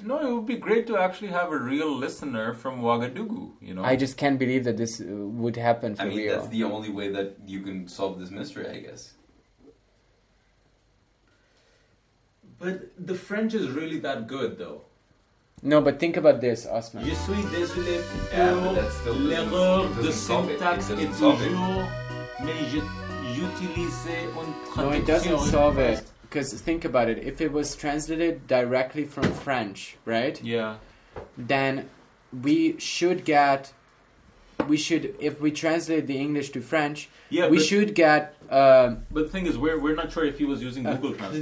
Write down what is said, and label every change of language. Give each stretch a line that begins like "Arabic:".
English: No, it would be great to actually have a real listener from Ouagadougou, you know? I just can't believe that this would happen for real. I mean, that's the only way that you can solve this mystery, I guess. But the French is really that good, though. No, but think about this, Osman.
French: Je suis désolé pour l'erreur de syntaxe et toujours, mais j'utilise une traduction.
English: No, it doesn't solve it. Because think about it. If it was translated directly from French, right? Yeah. Then we should get... We should, if we translate the English to French, yeah, we should get... But the thing is, we're not sure if he was using Google Translate.